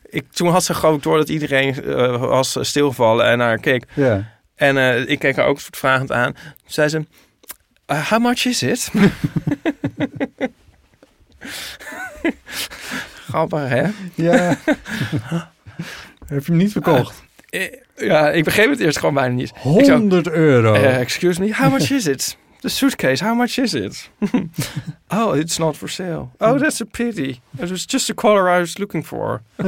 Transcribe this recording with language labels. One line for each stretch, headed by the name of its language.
Dutch: toen had ze geloof ik door dat iedereen was stilgevallen en naar haar keek. Ja. En ik keek haar ook vragend aan. Toen zei ze,
English: how much is it?
Dutch: Grappig, hè? Ja. Heb je hem niet verkocht? Ik begreep het eerst gewoon bijna niet. 100 euro.
English: Excuse me, how much is it? The suitcase, how much is it? Oh, it's not for sale. Oh, that's a pity. It was just the color I was looking for.